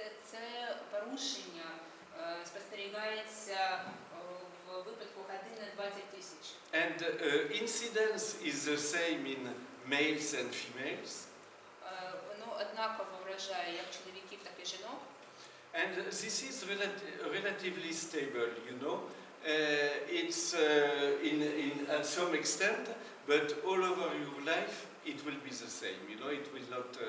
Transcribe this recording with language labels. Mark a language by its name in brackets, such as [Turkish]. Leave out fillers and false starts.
[Ukrainian] Це порушення спостерігається в випадку 1 на 20 000. [English] And incidence is the same in males and females. [Ukrainian] Воно однаково вражає як чоловіків, так і жінок. [English] And this is relatively stable, you know. It's in at some extent, but all over your life it will be the same, you know, it will not